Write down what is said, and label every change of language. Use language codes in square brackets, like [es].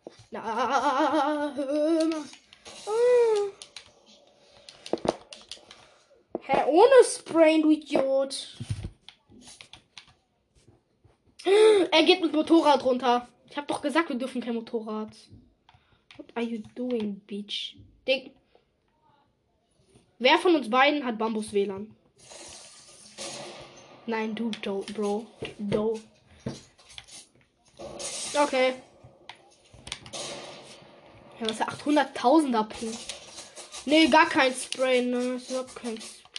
[de] Na, hör mal. Hä, ohne Sprain, du Idiot. Er geht mit Motorrad runter. Ich hab doch gesagt, wir dürfen kein Motorrad. [en] What are you doing, bitch? [de] Ding. Wer von uns beiden hat Bambus-WLAN? Nein, du, Bro. Do. Okay. Ja, was ist der 800.000er Punkt? Nee, gar kein Spray, ne? Ich hab kein Spray.